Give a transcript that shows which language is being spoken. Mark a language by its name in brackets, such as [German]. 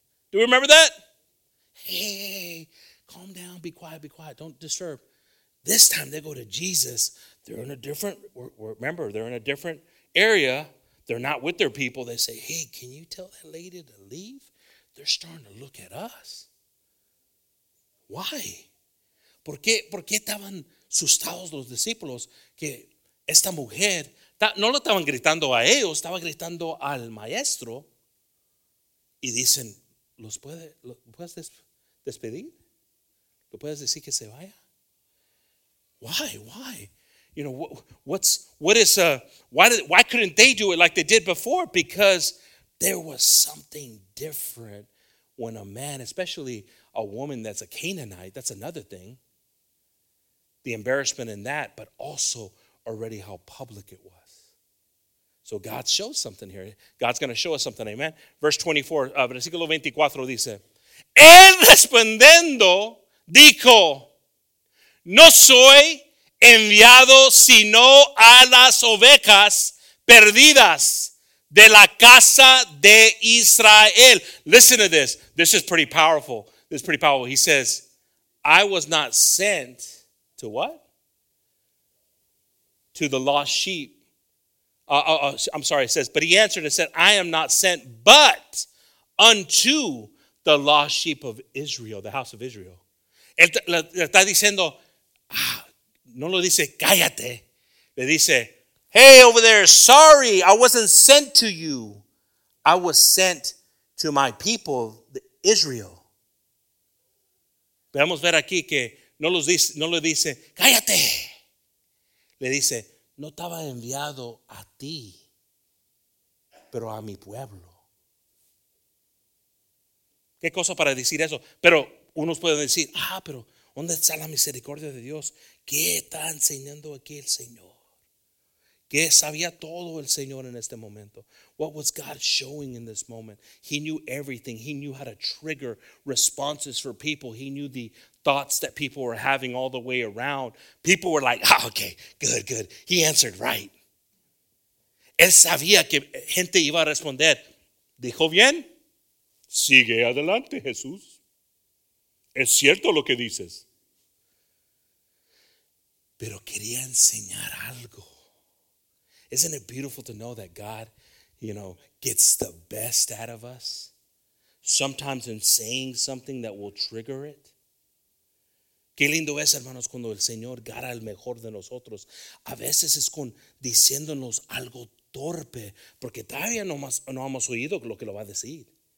[English] Do we remember that? Hey, calm down, be quiet, don't disturb. This time they go to Jesus. They're in a different, remember, they're in a different area. They're not with their people. They say, hey, can you tell that lady to leave? They're starting to look at us. Why? [Spanish] ¿Por qué estaban asustados los discípulos que esta mujer... No lo estaban gritando a ellos, estaba gritando al maestro. Y dicen, ¿lo puedes despedir? ¿Lo puedes decir que se vaya? [English] Why? You know, why couldn't they do it like they did before? Because there was something different when a man, especially a woman that's a Canaanite, that's another thing. The embarrassment in that, but also already how public it was. So God shows something here. God's going to show us something, amen. Verse 24, [Spanish] versículo 24 dice, Él respondiendo dijo, No soy enviado sino a las ovejas perdidas de la casa de Israel. [English] Listen to this. This is pretty powerful. This is pretty powerful. He says, I was not sent to what? To the lost sheep. I'm sorry, it says, but he answered and said, I am not sent but unto the lost sheep of Israel, the house of Israel. [Spanish] Él le está diciendo, no lo dice, cállate. Le dice, [English] hey, over there, sorry, I wasn't sent to you. I was sent to my people, the Israel. [Spanish] Vamos a ver aquí que no lo dice, cállate. Le dice, No estaba enviado a ti, pero a mi pueblo. ¿Qué cosa para decir eso? Pero unos pueden decir, pero ¿dónde está la misericordia de Dios? ¿Qué está enseñando aquí el Señor? ¿Qué sabía todo el Señor en este momento? [English] What was God showing in this moment? He knew everything. He knew how to trigger responses for people. He knew the thoughts that people were having all the way around. People were like, okay, good. He answered right. [Spanish] Él sabía que gente iba a responder. Dijo bien. Sigue adelante, Jesús. Es cierto lo que dices. Pero quería enseñar algo. [English] Isn't it beautiful to know that God, you know, gets the best out of us? Sometimes in saying something that will trigger it. [Spanish] Qué lindo es, hermanos, cuando el Señor gana el mejor de nosotros. A veces es con diciéndonos algo torpe, porque todavía no hemos oído lo que lo va a decir.